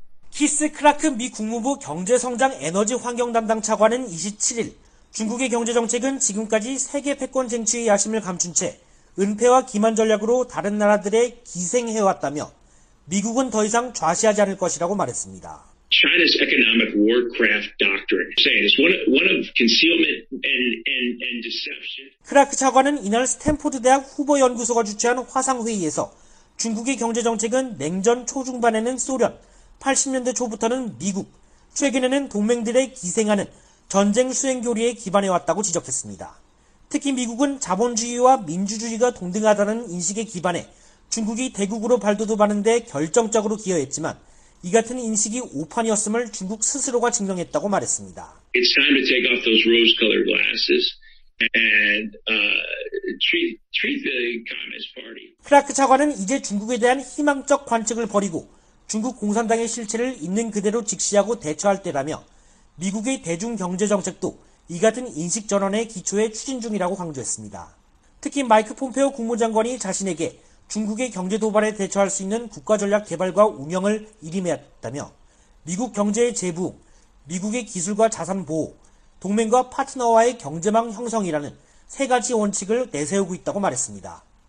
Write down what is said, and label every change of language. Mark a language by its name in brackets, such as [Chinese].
[Korean] 키스 크라크 미 국무부 경제성장 에너지 환경 담당 차관은 27일 중국의 경제정책은 지금까지 세계 패권 쟁취의 야심을 감춘 채 은폐와 기만 전략으로 다른 나라들에 기생해왔다며 미국은 더 이상 좌시하지 않을 것이라고 말했습니다. [English] China's economic warcraft doctrine, saying it's one of concealment and deception. [Korean] 크라크 차관은 이날 스탠포드 대학 후보 연구소가 주최한 화상 회의에서 중국의 경제 정책은 냉전 초중반에는 소련, 80년대 초부터는 미국, 최근에는 동맹들의 기생하는 전쟁 수행교리에 기반해왔다고 지적했습니다. 특히 미국은 자본주의와 민주주의가 동등하다는 인식에 기반해 중국이 대국으로 발돋움하는 데 결정적으로 기여했지만 이 같은 인식이 오판이었음을 중국 스스로가 증명했다고 말했습니다. [English] It's time to take off those rose-colored glasses and treat the Communist Party. [Korean] 크라크 차관은 이제 중국에 대한 희망적 관측을 버리고 중국 공산당의 실체를 있는 그대로 직시하고 대처할 때라며 미국의 대중경제정책도 이 같은 인식 전환의 기초에 추진 중이라고 강조했습니다. 특히 마이크 폼페오 국무장관이 자신에게 중국의 경제 도발에 대처할 수 있는 국가 전략 개발과 운영을 일임했다며 미국 경제의 재부흥, 미국의 기술과 자산 보호, 동맹과 파트너와의 경제망 형성이라는 세 가지 원칙을 내세우고 있다고 말했습니다.